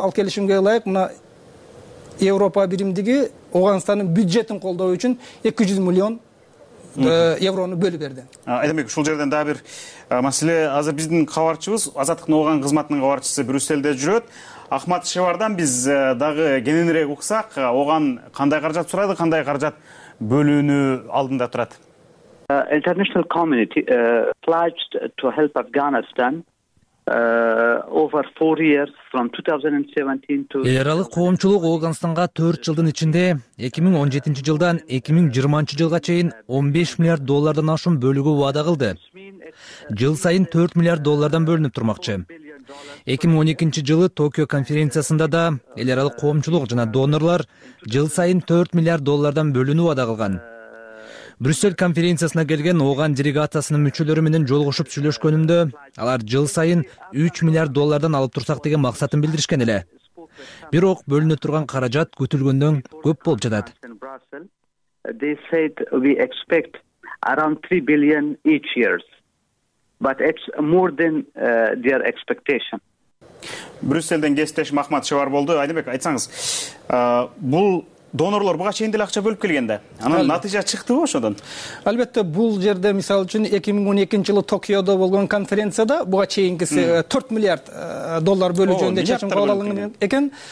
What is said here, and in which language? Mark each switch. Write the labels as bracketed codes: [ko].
[ky] Ал келишимге ылайык, мына Европа биримдиги Афганистандын бюджетин колдоо үчүн 200 миллион евроны бөлүп берди. Айдамек, ушул жерден дагы бир маселе. Азыр биздин кабарчыбыз Азаттыктын Ооган кызматынын кабарчысы Брюсселде жүрөт. Ахмат Шевардан биз дагы кененирээк уксак, Ооган кандай каражат сурайды, кандай каражат бөлүүнү алдында турат? [en] International community pledged to help Afghanistan. [ky] Эл аралык коомчулук Афганистанга 4 жылдын ичинде 2017 жылдан 2020 жылга чейин 15 миллиард доллардан ашуун бөлүгү убада кылды. Жыл сайын 4 миллиард доллардан бөлүнүп турмакчы. 2012 жылы Токио конференциясында да эл аралык коомчулук жана донорлор жыл сайын 4 миллиард доллардан бөлүнүп убада кылган. Брюссель конференциясына келген ооган делегациясынын мүчөлөрү менен жолугушуп сүйлөшкөнүмдө алар жыл сайын 3 миллиард доллардан алып турсак деген максатын билдиришкен эле. Бирок бөлүнө турган каражат күтүлгөндөн көп болуп жатат. [en] They said we expect around 3 billion each year. But it's more than their expectation. [ky] Брюсселден кесиптеш Махмат Шевар болду. Айдыбек, айтсаңыз, бул донорлор буга чейин деле акча бөлүп келген да. Анан натыйжа чыктыбы ошондон? Албетте, бул жерде мисалы үчүн 2012 жылы Токиодо болгон конференцияда буга чейинкиси 4 миллиард доллар бөлүү жөнүндө чечим кабыл алынган экен.